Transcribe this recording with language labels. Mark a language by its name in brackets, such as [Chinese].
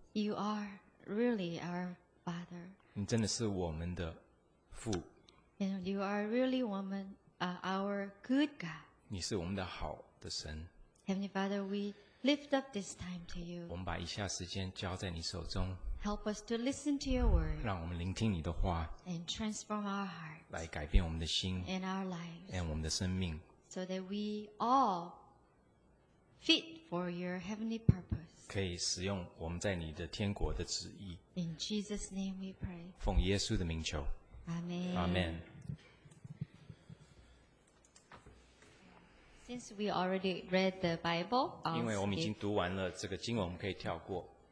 [English] You are really our Father. [Chinese] 你真的是我们的父。 [English] And you are really our good God. [Chinese] 你是我们的好的神。 [English] Heavenly Father, we lift up this time to you. [Chinese] 我们把以下时间交在你手中。 [English] Help us to listen to your word. [Chinese] 让我们聆听你的话。 [English] And transform our hearts. [Chinese] 来改变我们的心。 [English] And our lives. [Chinese] And 我们的生命。 [English] So that we all. Fit for your heavenly purpose. [Chinese] 可以使用我们在你的天国的旨意。 [English] In Jesus' name we pray. [Chinese] 奉耶稣的名求。 [English] Amen. Amen. Since we already read the Bible, [Chinese] 因为我们已经读完了这个经文，我们可以跳过。